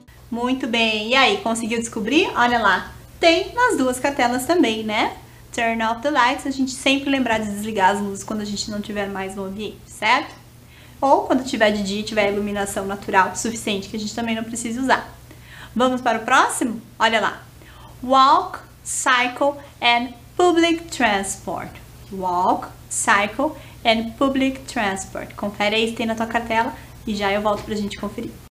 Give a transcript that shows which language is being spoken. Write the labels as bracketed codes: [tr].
[pt] Muito bem. E aí, conseguiu descobrir? Olha lá. Tem nas duas cartelas também, né? [en] Turn off the lights. [pt] A gente sempre lembrar de desligar as luzes quando a gente não tiver mais no ambiente, certo? Ou quando tiver de dia e tiver iluminação natural suficiente, que a gente também não precisa usar. Vamos para o próximo? Olha lá. [en] Walk, cycle and public transport. Walk, cycle and public transport. [pt] Confere aí se tem na tua cartela e já eu volto pra gente conferir.